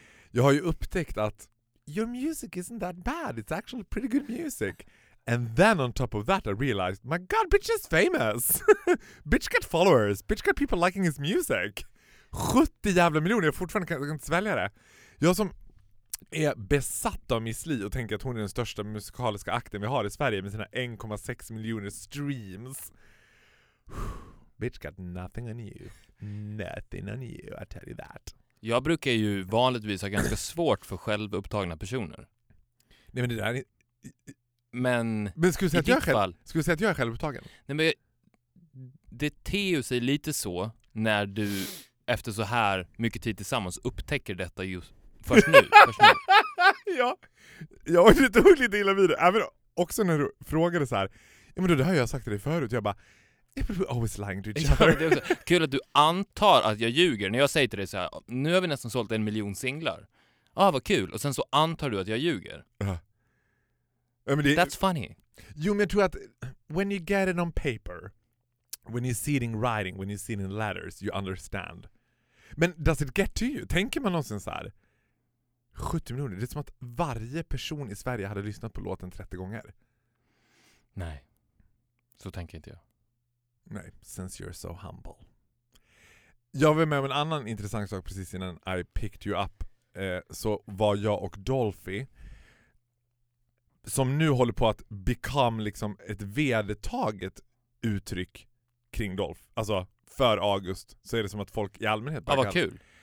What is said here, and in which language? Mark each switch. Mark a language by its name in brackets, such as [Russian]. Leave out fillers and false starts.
[Swedish] Jag har ju upptäckt att your music isn't that bad. [English] It's actually pretty good music. And then on top of that I realized my god, bitch is famous. Bitch got followers. Bitch got people liking his music. [Swedish] 70 jävla miljoner. Jag fortfarande kan inte svälja det. Jag som är besatt av Miss Li och tänker att hon är den största musikaliska akten vi har i Sverige med sina 1,6 miljoner streams. [English] Bitch got nothing on you. Nothing on you, I tell you that. [Swedish] Jag brukar ju vanligtvis ha ganska svårt för självupptagna personer. Nej, men det där är... Men skulle du säga, skulle säga att jag är självupptagen? Nej, men det teo sig lite så när du efter så här mycket tid tillsammans upptäcker detta just först nu. Ja, jag har lite hugg lite illa vid det. Även också när du frågade så här, ja men då, det har jag sagt till dig förut. [English] Jag bara, we're always lying to each other. [Swedish] Ja, kul att du antar att jag ljuger. När jag säger till dig så här, nu har vi nästan sålt 1 miljon singlar. Ja, ah, vad kul. Och sen så antar du att jag ljuger. Ja, men det, [English] that's funny. Jo, men jag tror att when you get it on paper, when you see it in writing, when you see it in letters, you understand. Men does it get to you? [Swedish] Tänker man någonsin så här, 70 miljoner. Det är som att varje person i Sverige hade lyssnat på låten 30 gånger. Nej. Så tänker inte jag. [English] Nej, since you're so humble. [Swedish] Jag var med om en annan intressant sak precis innan I picked you up. Så var jag och Dolphy, som nu håller på att become liksom ett vedertaget uttryck kring Dolph. Alltså, för August så är det som att folk i allmänhet... Ja, vad kul.